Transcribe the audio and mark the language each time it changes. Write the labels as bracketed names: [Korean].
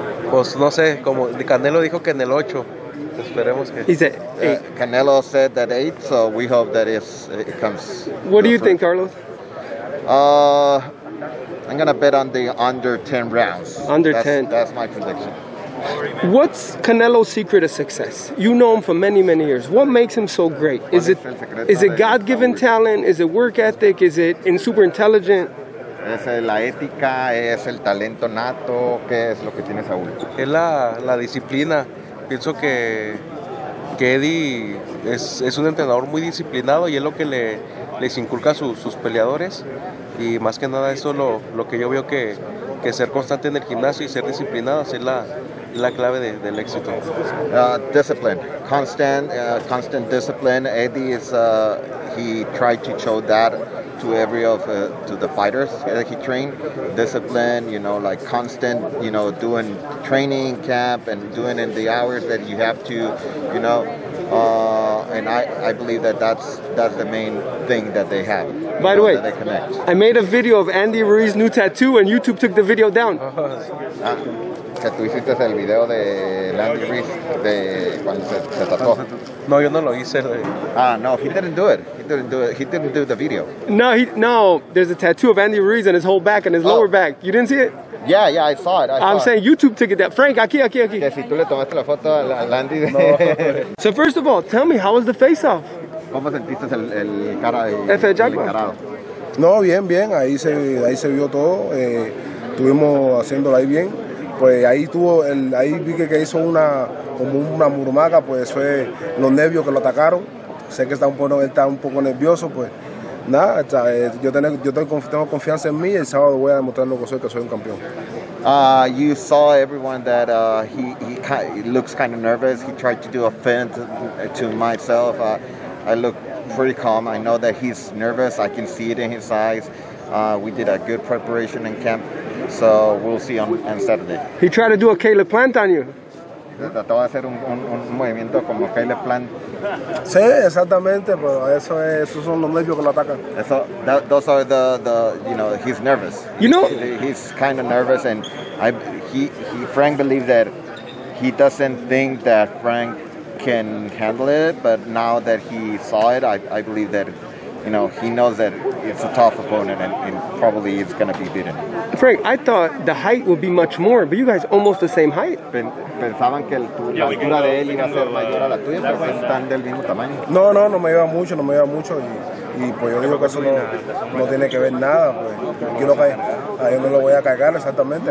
[Spanish] Pues no sé, como Canelo dijo que en el 8. Esperemos que... [English] He said 8. Canelo said that 8, so we hope that it comes. What do you think, Carlos? I'm going to bet on the under 10 rounds. Under that's, 10. That's my prediction. What's Canelo's secret of success? You know him for many, many years. What makes him so great? Is it God-given talent? Is it work ethic? Is it super intelligent? [Spanish] Es la ética, es el talento nato, ¿qué es lo que tiene Saúl? Es la disciplina. Pienso que Eddie es un entrenador muy disciplinado y es lo que les inculca a sus peleadores. Y más que nada eso lo que yo veo que ser constante en el gimnasio y ser disciplinado es la clave del éxito. [English] Discipline, constant discipline. Eddie is he tried to show that to every of to the fighters that he trained. Discipline, you know, like constant, you know, doing training camp and doing in the hours that you have to, you know. And I believe that's the main thing that they have. By the way, they connect. I made a video of Andy Ruiz's new tattoo and YouTube took the video down. [Spanish] Que tú hiciste el video de Andy Ruiz de cuando se tatuó. No, yo no lo hice. [English] No, he didn't do it. He didn't do the video. No, there's a tattoo of Andy Ruiz on his whole back and his lower back. You didn't see it? Yeah, I saw it. I'm saying YouTube took it down. Frank, aquí. [Spanish] Que si tú le tomaste la foto a Andy. [English] So first of all, tell me, how was the face-off? [Spanish] ¿Cómo sentiste el cara y Efe Jugba? No, bien, ahí se vio todo. Estuvimos haciéndolo ahí bien. Pues ahí vi que hizo una como una murmaga, pues fue los nervios que lo atacaron. Sé que está un poco nervioso, pues nada, yo tengo confianza en mí y el sábado voy a demostrarlo que soy un campeón. [English] You saw everyone that he looks kind of nervous. He tried to do a feint to myself. I look pretty calm. I know that he's nervous. I can see it in his eyes. We did a good preparation in camp. So we'll see on Saturday. He tried to do a Caleb Plant on you. [Spanish] Trató de hacer un movimiento como Caleb Plant. Sí, exactamente, pero esos son los nervios que lo atacan. [English] Those are the you know, he's nervous. You know, he's kind of nervous, and he Frank believes that he doesn't think that Frank can handle it, but now that he saw it, I believe that you know, he knows that it's a tough opponent and probably it's going to be beaten. Frank, I thought the height would be much more, but you guys almost the same height. [Spanish] Pensaban que la altura de él iba a ser mayor a la tuya, pero están del mismo tamaño. No, no, no me iba mucho, no me iba mucho. Y pues yo digo que eso no tiene que ver nada. Pues. Aquí lo que hay, yo no lo voy a cagar exactamente.